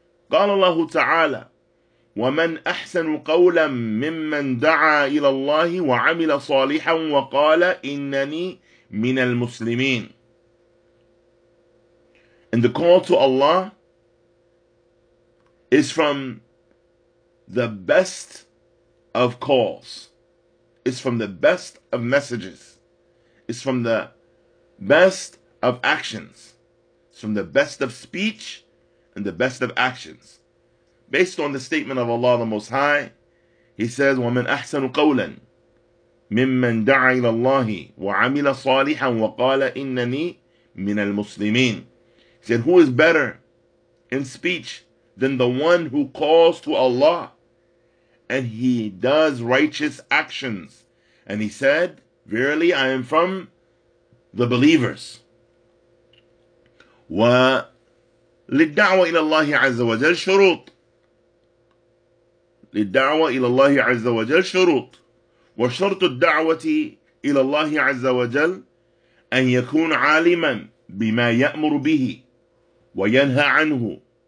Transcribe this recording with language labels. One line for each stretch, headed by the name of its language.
Arabic: قال الله تعالى ومن أحسن قولا ممن دعا إلى الله وعمل صالحا وقال إنني من المسلمين.
English: And the call to Allah is from the best of calls. It's from the best of messages. It's from the best of actions. It's from the best of speech and the best of actions. Based on the statement of Allah the Most High, He says,
Arabic: وَمَنْ أَحْسَنُ قَوْلًا مِمَّنْ دَعَ إِلَى اللَّهِ وَعَمِلَ صَالِحًا وَقَالَ إِنَّنِي مِنَ الْمُسْلِمِينَ.
English: He said, who is better in speech than the one who calls to Allah and he does righteous actions? And he said, verily, I am from the believers.
Arabic: للدعوة إلى الله عز وجل شروط. للدعوة إلى الله عز وجل شروط. وشرط الدعوة إلى الله عز وجل أن يكون عالما بما يأمر به وينهى عنه.